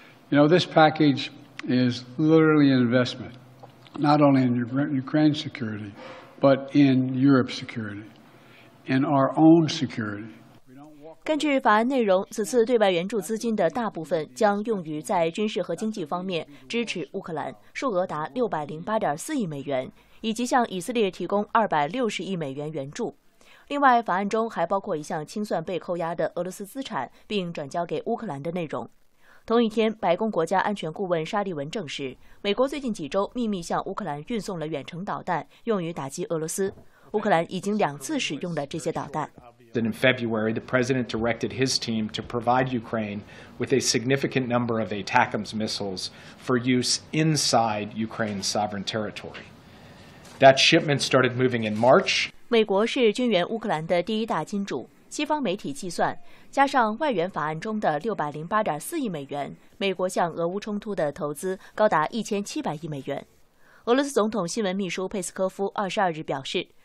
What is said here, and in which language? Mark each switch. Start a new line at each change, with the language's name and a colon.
English: You know, this package is literally an investment. Not only in Ukraine's security, but in Europe's security, in our own security.
Chinese: 根据法案内容，此次对外援助资金的大部分将用于在军事和经济方面支持乌克兰，数额达608.4亿美元，以及向以色列提供260亿美元援助。另外，法案中还包括一项清算被扣押的俄罗斯资产并转交给乌克兰的内容。同一天，白宫国家安全顾问沙利文证实，美国最近几周秘密向乌克兰运送了远程导弹，用于打击俄罗斯。乌克兰已经2次使用了这些导弹。
English: Then in February, the president directed his team to provide Ukraine with a significant number of ATACMS missiles for use inside Ukraine's sovereign territory. That shipment started moving in March.
Chinese: 美国是军援乌克兰的第一大金主。西方媒体计算，加上外援法案中的608.4亿美元，美国向俄乌冲突的投资高达1700亿美元。俄罗斯总统新闻秘书佩斯科夫22日表示，